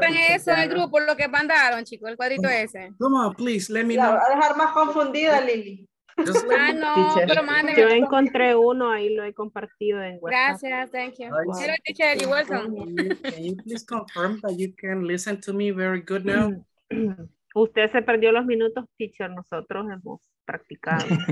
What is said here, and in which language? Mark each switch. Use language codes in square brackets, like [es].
[es] compartan eso en el grupo, lo que mandaron, chicos, el cuadrito [en] come, [es] ese. [en] Come on, please, let me know. [es] La va a dejar más confundida, Lili. [en] Just ah, no, teacher. [es] Pero manden. Yo encontré uno, ahí lo he compartido en WhatsApp. Gracias, [en] thank you. Oh, hello, wow. Teacher, you're welcome. Can you please confirm that you can listen to me very good now? [es] Usted se perdió los minutos, teacher, nosotros hemos practicado.